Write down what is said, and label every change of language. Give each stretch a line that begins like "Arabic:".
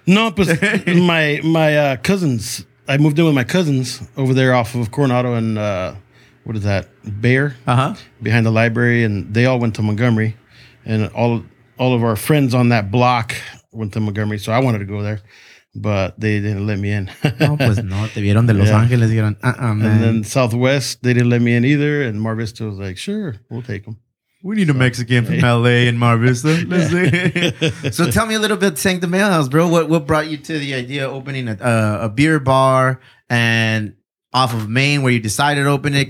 English: No, pues my cousins, I moved in with my cousins over there off of Coronado and what is that, Bear? Uh-huh. Behind the library, and they all went to Montgomery, and all of our friends on that block went to Montgomery, so I wanted to go there, but they didn't let me in.
Spanish: No, pues no, te vieron de Los Ángeles, dijeron, man.
English: And then Southwest, they didn't let me in either, and Mar Vista was like, sure, we'll take them. We need a Mexican from LA and Mar Vista. Let's see. So tell me a little bit, Sanctum Ale House, bro. What brought you to the idea of opening a beer bar and off of Maine where you decided to open it?